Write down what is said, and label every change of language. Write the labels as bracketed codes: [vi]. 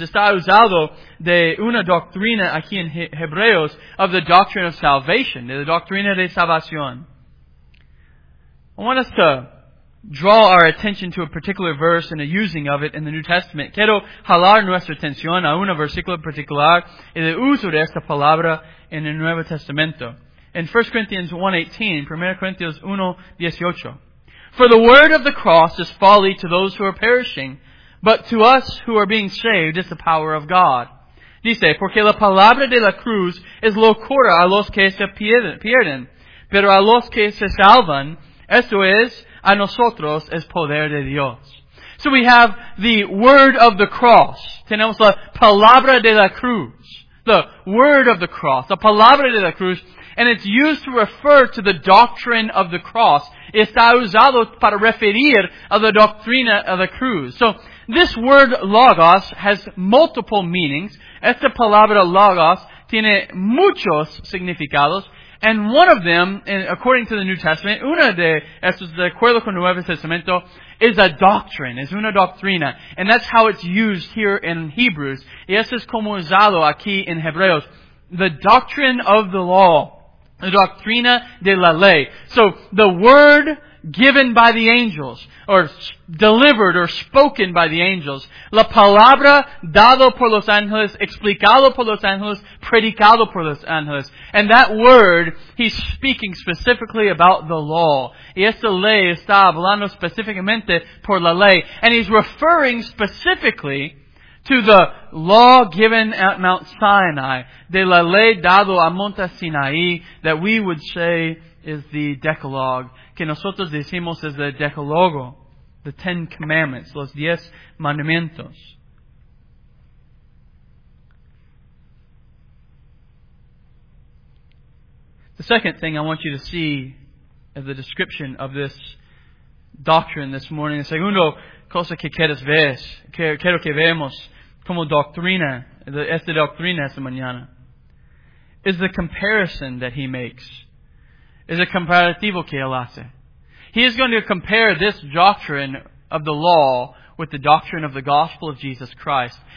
[es] Está usado de una doctrina aquí en Hebreos [en] of the doctrine of salvation, [es] de la doctrina de salvación. [en] I want us to draw our attention to a particular verse and a using of it in the New Testament. [es] Quiero jalar nuestra atención a un versículo particular y el uso de esta palabra en el Nuevo Testamento. [en] In 1 Corinthians 1:18, 1 Corinthians 1:18. For the word of the cross is folly to those who are perishing, but to us who are being saved is the power of God. [es] Dice, porque la palabra de la cruz es locura a los que se pierden, pero a los que se salvan, esto es, a nosotros es poder de Dios. [en] So we have the word of the cross. [es] Tenemos la palabra de la cruz. [en] The word of the cross. [es] La palabra de la cruz [en] And it's used to refer to the doctrine of the cross. [es] Está usado para referir a la doctrina de la cruz. [en] So, this word logos has multiple meanings. [es] Esta palabra logos tiene muchos significados. [en] And one of them, according to the New Testament, [es] una de estos de acuerdo con el Nuevo Testamento, [en] is a doctrine, [es] es una doctrina. [en] And that's how it's used here in Hebrews. [es] Y esto es como usado aquí en Hebreos. [en] The doctrine of the law. The [es] doctrina de la ley. [en] So, the word given by the angels, or delivered or spoken by the angels. [es] La palabra dado por los ángeles, explicado por los ángeles, predicado por los ángeles. [en] And that word, he's speaking specifically about the law. [es] Y esta ley está hablando específicamente por la ley. [en] And he's referring specifically to the law given at Mount Sinai. [es] De la ley dado a Monte Sinai, [en] that we would say is the Decalogue. [es] Que nosotros decimos es el Decalogo, [en] the Ten Commandments, [es] los Diez Mandamientos. [en] The second thing I want you to see is the description of this doctrine this morning. [es] The segundo cosa que quieres ver, quiero que veamos como doctrina, esta doctrina esta mañana, [en] is the comparison that he makes. [es] Es el comparativo que él hace. [en] He is going to compare this doctrine of the law with the doctrine of the gospel of Jesus Christ.